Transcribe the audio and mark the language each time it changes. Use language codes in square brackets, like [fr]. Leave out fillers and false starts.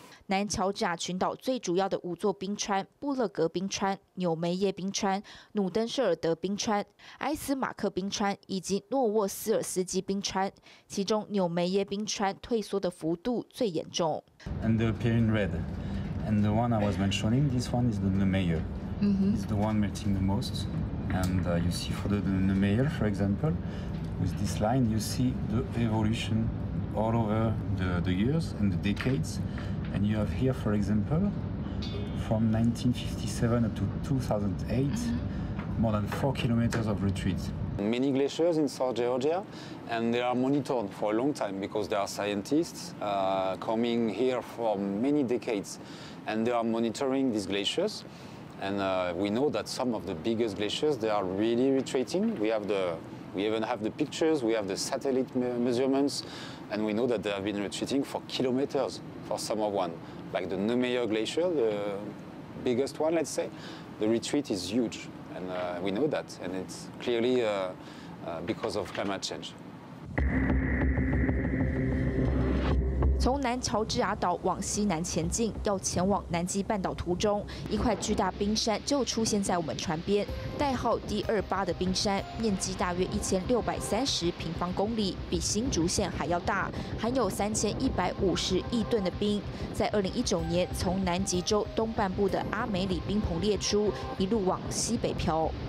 [zh] 南乔治亚群岛最主要的5座冰川，布勒格冰川、纽梅耶冰川、努登舍尔德冰川、埃斯马克冰川以及诺沃斯尔斯基冰川，其中纽梅耶冰川退缩的幅度最严重。 [en] And they appear in red. And the one I was mentioning, this one is the Neumayer. It's the one melting the most. And you see for the Neumayer, for example, with this line, you see the evolution all over the years and the decades. And you have here, for example, from 1957 up to 2008, more than 4 kilometers of retreat. Many glaciers in South Georgia, and they are monitored for a long time because there are scientists coming here for many decades, and they are monitoring these glaciers. And we know that some of the biggest glaciers, they are really retreating. We even have the pictures, we have the satellite measurements, and we know that they have been retreating for kilometers. For some of one, like the Neumayer Glacier, the biggest one, let's say, the retreat is huge, and we know that, and it's clearly because of climate change. [zh] 从南乔治亚岛往西南前进，要前往南极半岛途中，一块巨大冰山就出现在我们船边，代号 D28 的冰山，面积大约1630平方公里，比新竹县还要大，含有3150亿吨的冰，在2019年从南极洲东半部的阿梅里冰棚裂出，一路往西北飘。